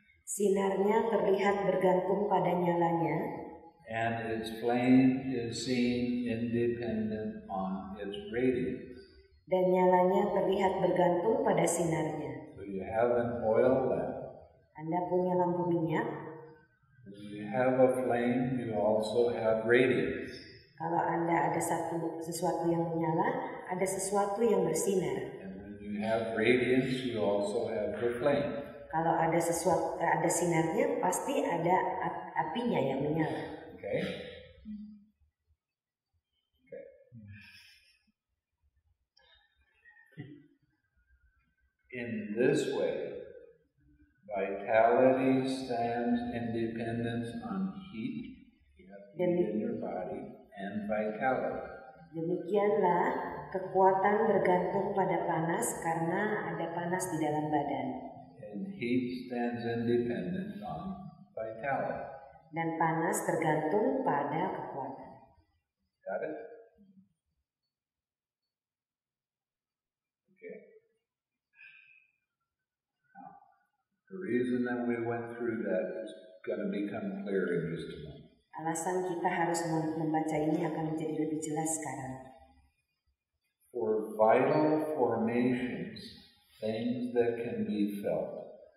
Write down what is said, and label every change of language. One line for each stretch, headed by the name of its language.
Indonesian: Sinarnya terlihat bergantung pada nyalanya.
English: And its flame is seen independent on its radiance.
Indonesian: Dan nyalanya terlihat bergantung pada sinarnya.
English: So you have an oil lamp.
Indonesian: Anda punya lampu minyak.
English: If you have a flame, you also have radiance.
Indonesian: Kalau Anda ada satu sesuatu yang menyala, ada sesuatu yang bersinar.
English: And when you have radiance, you also have the flame.
Indonesian: Kalau ada sesuatu ada sinarnya, pasti ada apinya yang menyala.
English: Okay. In this way, vitality stands independent on heat. You have heat in your body and vitality.
Indonesian: Demikianlah kekuatan bergantung pada panas karena ada panas di dalam badan.
English: And heat stands independent on vitality.
Indonesian: Dan panas tergantung pada kekuatan.
English: Got it? The reason that we went through that is going to become clear in just a moment.
Indonesian: Alasan kita harus membaca ini akan menjadi lebih jelas sekarang.
English: For vital formations, things that can be felt.